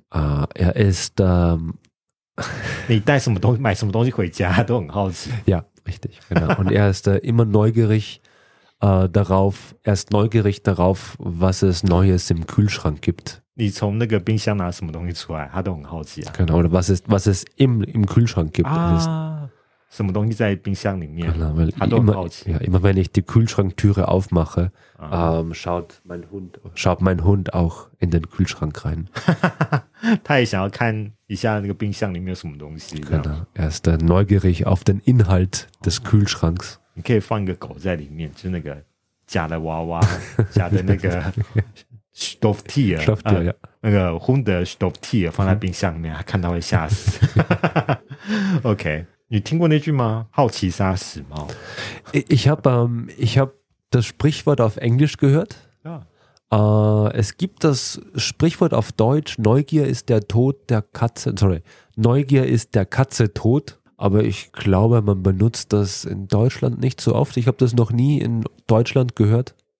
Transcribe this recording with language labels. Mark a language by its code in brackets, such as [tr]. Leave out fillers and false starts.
[de] Er ist. [zh] 你带什么东西买什么东西回家都很好奇。 [de] Yeah, richtig. Genau. Und er ist immer neugierig darauf. Er ist neugierig darauf, was es Neues im Kühlschrank gibt. [zh] 你从那个冰箱拿什么东西出来他都很好奇啊。 [de] Genau, oder was es im Kühlschrank gibt. [zh] 什么东西在冰箱里面 [de] genau, weil [zh] 他都很好奇。 [de] Immer wenn ich die Kühlschranktüre aufmache, schaut mein Hund auch in den Kühlschrank rein. [zh] 他也想要看一下那个冰箱里面有什么东西。 [de] Genau, er ist neugierig auf den Inhalt des Kühlschranks. [zh] 你可以放一个狗在里面，就是那个假的娃娃，假的那个Stofftier, [de] Stofftier, [zh] 那个 [de] Hunde Stofftier [zh] 放在冰箱里面，他看到会吓死。 OK, 你听过那句吗？好奇杀死猫。 [de] Ich hab das Sprichwort auf Englisch gehört. Ja. Es gibt das Sprichwort auf Deutsch: Neugier ist der Tod der Katze. Sorry, Neugier ist der Katze tot. aber ich glaube, man benutzt das in Deutschland nicht so oft. Ich habe das noch nie in Deutschland gehört.